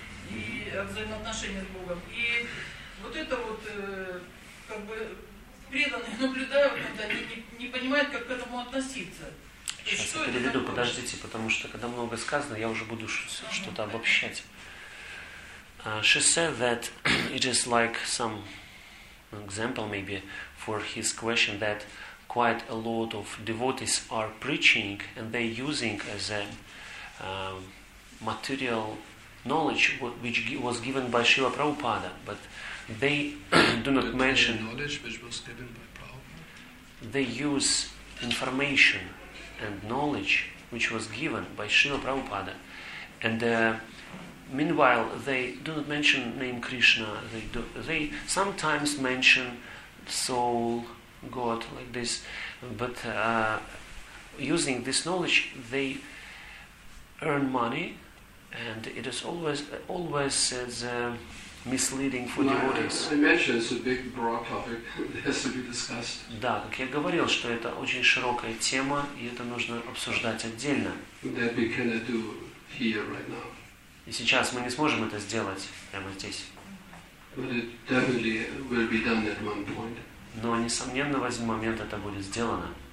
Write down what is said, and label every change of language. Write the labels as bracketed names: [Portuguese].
[Russian] И взаимоотношения с Богом. И вот это вот, как бы, преданные наблюдают, вот они не понимают, как к этому относиться. Сейчас я переведу, такое? Подождите, потому что, когда много сказано, я уже буду что-то обобщать. [English] She said that, it is like some example maybe for his question, that quite a lot of devotees are preaching and they using as a material knowledge which was given by Srila Prabhupada, but they do not mention knowledge which was given by Prabhupada. They use information and knowledge which was given by Srila Prabhupada, and meanwhile they do not mention name Krishna. They sometimes mention soul, God, like this, but using this knowledge they earn money, and it is always misleading for devotees. I mentioned it's a big broad topic that has to be discussed. [Russian] Да, как я говорил, что это очень широкая тема, и это нужно обсуждать отдельно. [English] That we cannot do here right now. [Russian] И сейчас мы не сможем это сделать прямо здесь. Но, несомненно, в один момент это будет сделано.